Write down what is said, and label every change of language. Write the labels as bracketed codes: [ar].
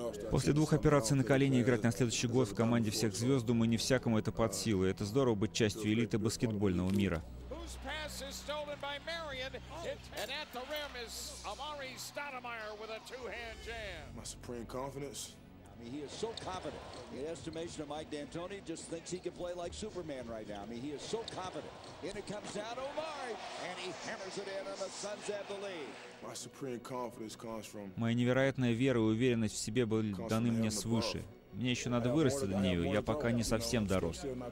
[ru] После двух операций на колени играть на следующий год в команде всех звезд, думаю, не всякому это под силу. Это здорово быть частью элиты баскетбольного мира. [en] Pass is stolen by Marion, and at the rim is Amari Stoudemire with a two-hand jam. My supreme confidence. I mean, he is so confident. In estimation of Mike D'Antoni, just thinks he can play like Superman right now. I mean, he is so confident. In it comes down Amari, and he hammers it in, and the Suns have the lead. My supreme confidence comes from. [ru] Моя невероятная вера и уверенность в себе были даны мне свыше. Мне еще надо вырасти до нее. Я пока не совсем дорос.